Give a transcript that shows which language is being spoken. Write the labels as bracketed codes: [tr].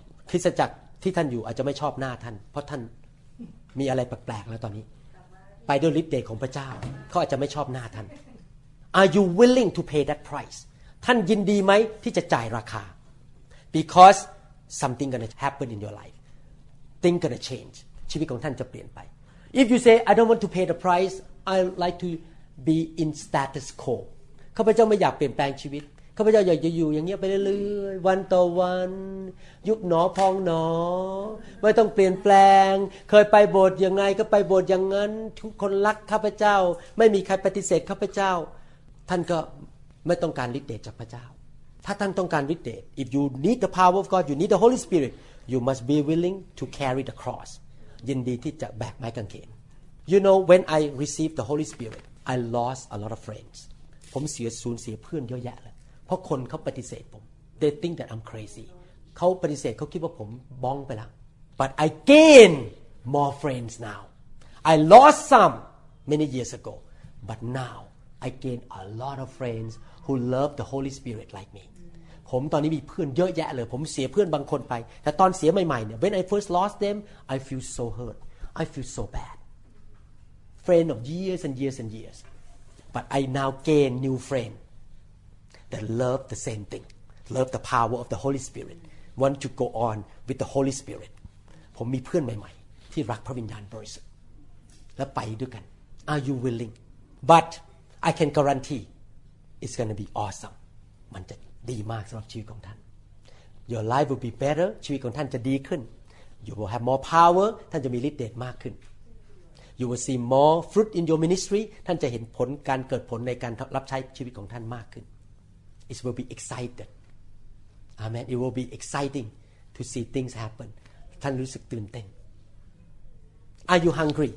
[th] คริสตจักรที่ท่านอยู่อาจจะไม่ชอบหน้าท่านเพราะท่านมีอะไรแปลกๆแล้วตอนนี้ไปด้วยฤทธิ์เดชของพระเจ้าเขาอาจจะไม่ชอบหน้าท่าน [en] Are you willing to pay that price? [th] ท่านยินดีไหมที่จะจ่ายราคา [en] Because something gonna happen in your life, things gonna change. [th] ชีวิตของท่านจะเปลี่ยนไป [en] If you say I don't want to pay the price, I like to be in status quo. [th] ข้าพเจ้าไม่อยากเปลี่ยนแปลงชีวิตข้าพเจ้าอยากอยู่อย่างเงี้ยไปเรื่อยๆวันต่อวันยุบหนอพองหนอไม่ต้องเปลี่ยนแปลงเคยไปโบสถ์ยังไงก็ไปโบสถ์อย่างนั้นทุกคนรักข้าพเจ้าไม่มีใครปฏิเสธข้าพเจ้า ท่านก็ไม่ต้องการฤทธิ์เดชจากพระเจ้าถ้าท่านต้องการฤทธิ์เดช [en] if you need the power of God you need the Holy Spirit you must be willing to carry the cross [th] ยินดีที่จะแบกไม้กางเขน [en] you know when I received the Holy Spirit I lost a lot of friends [th] ผมเสียสูญเสียเพื่อนเยอะแยะเพราะคนเขาปฏิเสธผม [en] They think that I'm crazy [th] เขาปฏิเสธเขาคิดว่าผมบ้องไปแล้ว [en] But I gain more friends now I lost some many years ago But now I gain a lot of friends who love the Holy Spirit like me [th] ผมตอนนี้มีเพื่อนเยอะแยะเลยผมเสียเพื่อนบางคนไปแต่ตอนเสียใหม่ๆเนี่ย [en] When I first lost them I feel so hurt I feel so bad friend of years and years and years, but I now gain new friend that love the same thing, love the power of the Holy Spirit, want to go on with the Holy Spirit. [th] ผมมีเพื่อนใหม่ๆที่รักพระวิญญาณบริสุทธิ์และไปด้วยกัน [en] Are you willing? But I can guarantee it's going to be awesome. [th] มันจะดีมากสำหรับชีวิตของท่าน [en] Your life will be better. [th] ชีวิตของท่านจะดีขึ้น [en] You will have more power. [th] ท่านจะมีฤทธิ์เดชมากขึ้น [en] You will see more fruit in your ministry. [th] ท่านจะเห็นผลการเกิดผลในการรับใช้ชีวิตของท่านมากขึ้น [en] It will be excited. Amen. It will be exciting to see things happen. [th] ท่านรู้สึกตื่นเต้น [en] Are you hungry?